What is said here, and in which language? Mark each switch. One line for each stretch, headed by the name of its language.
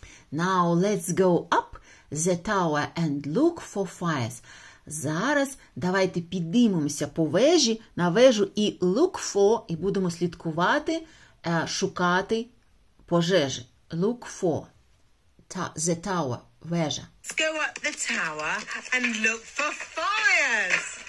English: Now let's go up the tower and look for fires.
Ukrainian: Зараз давайте піднімемося по вежі, на вежу і
English: look for,
Ukrainian: і будемо слідкувати, шукати пожежі.
English: Look for the tower, вежа. Let's go up the tower and look for fires.